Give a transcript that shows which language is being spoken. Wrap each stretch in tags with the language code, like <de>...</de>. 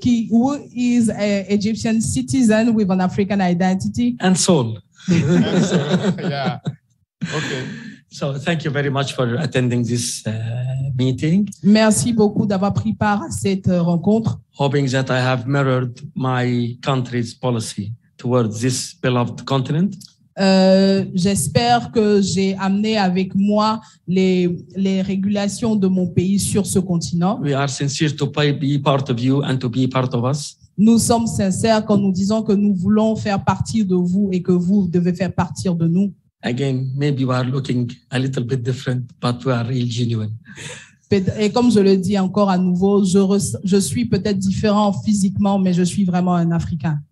<en>Who is an Egyptian citizen with an African identity? And soul. Yeah. Okay. So thank you very much for attending this meeting.</en> <fr>Merci beaucoup d'avoir pris part à cette rencontre.</fr> <en>Hoping that I have mirrored my country's policy towards this beloved continent.</en> <fr>J'espère que j'ai amené avec moi les régulations de mon pays sur ce continent.</fr> <en>We are sincere to be part of you and to be part of us.</en> <fr>Nous sommes sincères quand nous disons que nous voulons faire partie de vous et que vous devez faire partie de nous.</fr> <en>Again, maybe we are looking a little bit different, but we are really genuine.</en> <fr>Et comme je le dis encore à nouveau, je suis peut-être différent physiquement, mais je suis vraiment un Africain.</fr>